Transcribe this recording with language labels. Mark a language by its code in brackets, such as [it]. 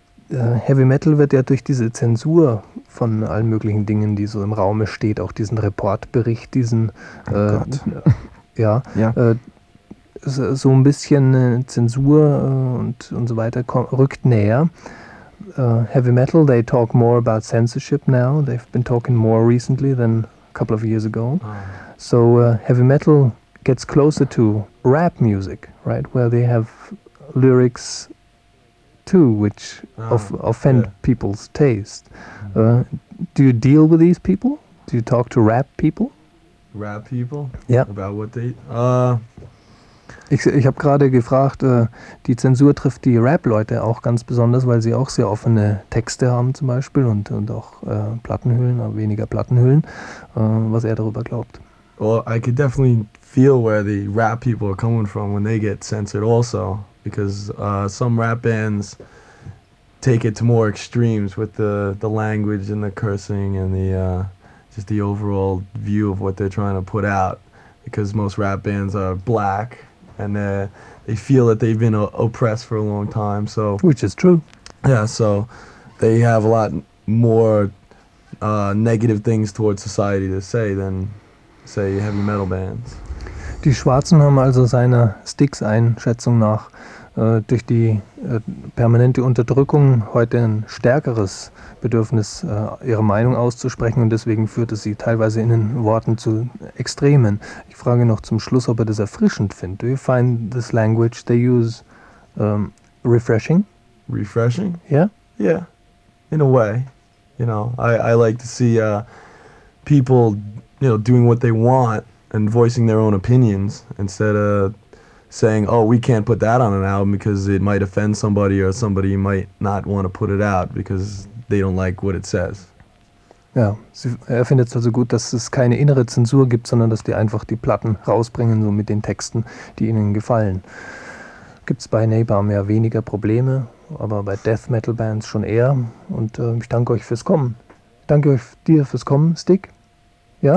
[de] Heavy Metal wird ja durch diese Zensur von allen möglichen Dingen, die so im Raume steht, auch diesen Reportbericht, so ein bisschen Zensur und so weiter rückt näher. [en] Heavy Metal, they talk more about censorship now. They've been talking more recently than a couple of years ago. So heavy metal gets closer to rap music, right? Where they have lyrics too, which offend people's taste. Do you deal with these people? Do you talk to rap people? Rap people? Yeah. About what they... [de] Ich habe gerade gefragt, die Zensur trifft die Rap-Leute auch ganz besonders, weil sie auch sehr offene Texte haben zum Beispiel und auch Plattenhüllen, aber weniger Plattenhüllen, was er darüber glaubt. [en] Well, I could definitely feel where the rap people are coming from when they get censored also, because some rap bands take it to more extremes with the language and the cursing and the just the overall view of what they're trying to put out, because most rap bands are black and they feel that they've been oppressed for a long time, so, which is true. Yeah, so they have a lot more negative things towards society to say than say heavy metal bands. [de] Die Schwarzen haben also seiner Sticks Einschätzung nach durch die permanente Unterdrückung heute ein stärkeres Bedürfnis, ihre Meinung auszusprechen, und deswegen führt es sie teilweise in den Worten zu Extremen. Ich frage noch zum Schluss, ob er das erfrischend findet. [en] Do you find this language they use refreshing? Refreshing? Yeah? Yeah, in a way. You know, I like to see people, you know, doing what they want and voicing their own opinions instead of saying, oh, we can't put that on an album because it might offend somebody, or somebody might not want to put it out because they don't like what it says. [de] Ja, er findet es also gut, dass es keine innere Zensur gibt, sondern dass die einfach die Platten rausbringen, so mit den Texten, die ihnen gefallen. Gibt es bei Napalm ja weniger Probleme, aber bei Death Metal Bands schon eher. Und ich danke euch fürs Kommen. Danke euch dir fürs Kommen, Stick. Ja?